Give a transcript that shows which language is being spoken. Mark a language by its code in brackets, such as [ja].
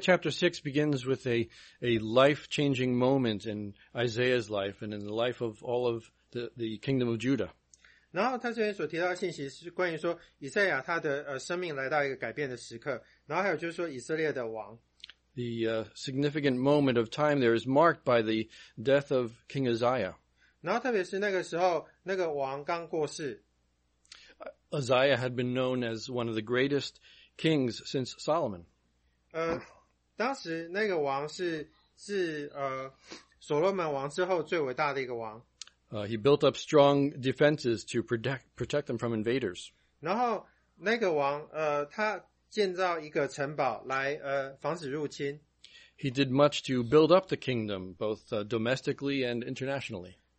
[en] chapter 6 begins with a life-changing moment in Isaiah's life and in the life of all of the kingdom of Judah. [zh] 然后他这边所提到的信息是关于说以赛亚他的生命来到一个改变的时刻，然后还有就是说以色列的王。 [en] The significant moment of time there is marked by the death of King Uzziah. [zh] 然后特别是那个时候那个王刚过世。Uzziah [en] had been known as one of the greatest kings since Solomon. [zh] 当时那个王是所罗门王之后最伟大的一个王。 [en] He built up strong defenses to protect them from invaders. [zh] 然后那个王，他建造一个城堡来防止入侵。 [en] He did much to build up the kingdom, both domestically and internationally.